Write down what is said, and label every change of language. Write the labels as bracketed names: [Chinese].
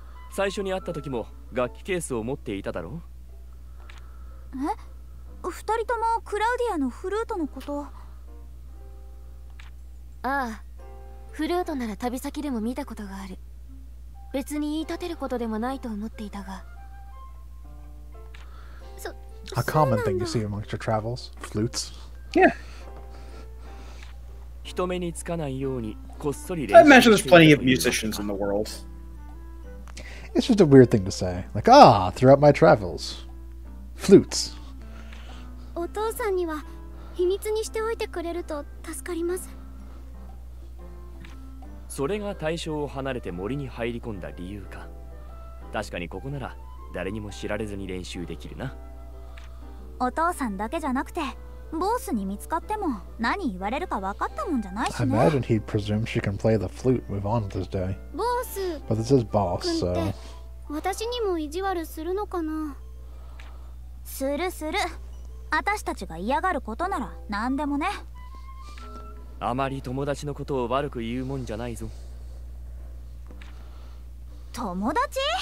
[Japanese] 最初に会った時も楽器ケースを持っていただろう。え、二人ともクラウディアのフルートのこと。ああ、フルートなら旅先でも見たことがある。別に言い立てることでもないと思っていたが。 [English] A common thing you see amongst your travels, flutes. Yeah. [Japanese] 人目につかないようにこっそり。 [English] I imagine there's plenty of musicians in the world. It's just a weird thing to say. Like, ah, throughout my travels, flutes. [Japanese] お父さんには秘密にしておいてくれると助かります。それが対象を離れて森に入り込んだ理由か。確かにここなら誰にも知られずに練習できるな。お父さんだけじゃなくてボスに見つかっても何言われるか分かったもんじゃないしね。 [English] I imagine he'd presume she can play the flute, move on with his day. [Japanese] ボス。 [English] But this is boss, so. [Japanese] 私にも意地悪するのかな。するする。私たちが嫌がることなら何でもね。あまり友達のことを悪く言うもんじゃないぞ。友達？